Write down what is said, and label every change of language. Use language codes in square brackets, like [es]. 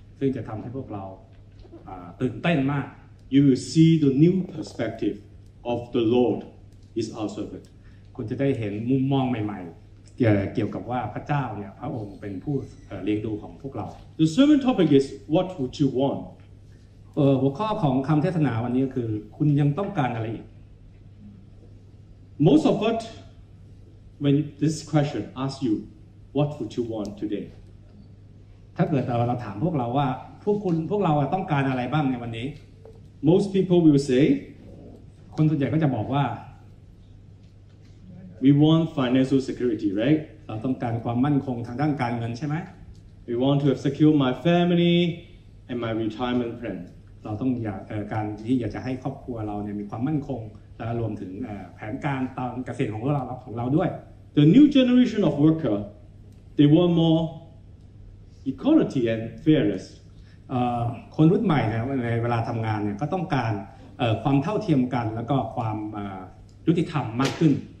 [th] ซึ่งจะทำให้พวกเราตื่นเต้นมาก [en] You will see the new perspective of the Lord is our servant. [th] คุณจะได้เห็นมุมมองใหม่ๆเกี่ยวกับว่าพระเจ้าเนี่ยพระองค์เป็นผู้เลี้ยงดูของพวกเรา [en] The sermon topic is what would you want [th] หัวข้อของคำเทศนาวันนี้คือคุณยังต้องการอะไรอีก [en] Most of us when this question asks you what would you want today [th] ถ้าเกิดเราถามพวกเราว่าพวกเราต้องการอะไรบ้างในวันนี้ [en] Most people will say [th] คนส่วนใหญ่ก็จะบอกว่า [en] We want financial security, right? [th] เราต้องการความมั่นคงทางด้านการเงินใช่ไหม [en] We want to have secure my family and my retirement plan. [th] เราต้องการที่อยากจะให้ครอบครัวเราเนี่ยมีความมั่นคงและรวมถึงแผนการตอนเกษียณของเราด้วย [en] The new generation of worker, they want more equality and fairness. [th] คนรุ่นใหม่นะในเวลาทำงานเนี่ยก็ต้องการความเท่าเทียมกันแล้วก็ความยุติธรรมมากขึ้น